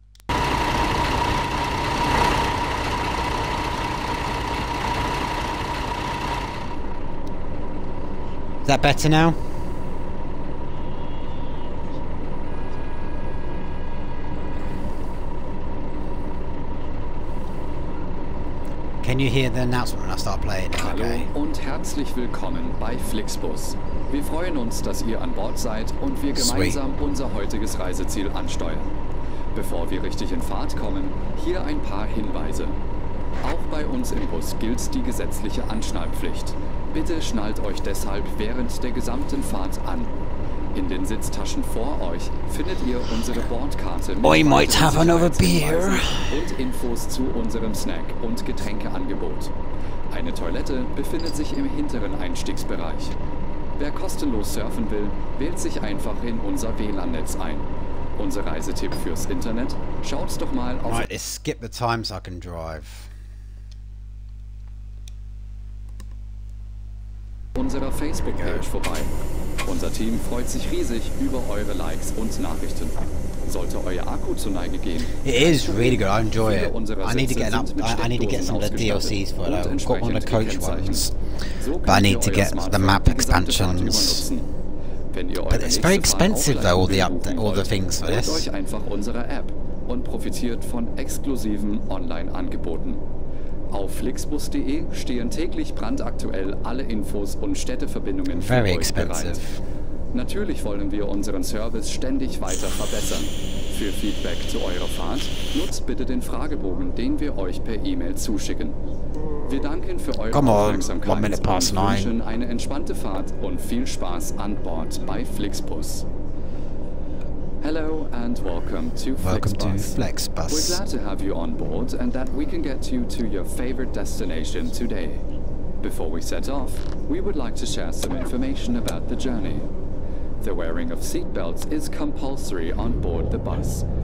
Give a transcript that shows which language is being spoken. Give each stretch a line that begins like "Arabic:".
English: Is that better now? Can you hear the announcement when I start playing?
German: Okay. Hallo und herzlich willkommen bei Flixbus. Wir freuen uns, dass ihr an Bord seid und wir gemeinsam unser heutiges Reiseziel ansteuern. Bevor wir richtig in Fahrt kommen, hier ein paar Hinweise. Auch bei uns im Bus gilt die gesetzliche Anschnallpflicht. Bitte schnallt euch deshalb während der gesamten Fahrt an. In den Sitztaschen vor euch findet ihr unsere Bordkarte
English: mit might have another beer.
German: Und Infos zu unserem Snack- und Getränkeangebot. Eine Toilette befindet sich im hinteren Einstiegsbereich. Wer kostenlos surfen will, wählt sich einfach in unser WLAN-Netz ein. Unser Reisetipp fürs Internet? Schaut's doch mal auf...
English: Right, let's skip the time so I can drive.
German: Unserer Facebook-Page vorbei. Unser Team freut sich riesig über eure Likes und Nachrichten. Sollte euer Akku zu Neige gehen...
English: It is really good, I enjoy it. I need to get some of the DLCs for it. I've got one of the coach ones. But I need to get the map expansions. But it's very expensive though, all the things for this.
German: Euch einfach unsere App und profitiert von exklusiven Online-Angeboten. Auf flixbus.de stehen täglich brandaktuell alle Infos und Städteverbindungen für euch bereit. Natürlich wollen wir unseren Service ständig weiter verbessern. Für Feedback zu eurer Fahrt nutzt bitte den Fragebogen, den wir euch per E-Mail zuschicken. Wir danken für eure Aufmerksamkeit und wünschen eine entspannte Fahrt und viel Spaß an Bord bei Flixbus.
English: Hello and welcome to Flixbus. We're glad to have you on board and that we can get you to your favorite destination today. Before we set off, we would like to share some information about the journey. The wearing of seat belts is compulsory on board the bus.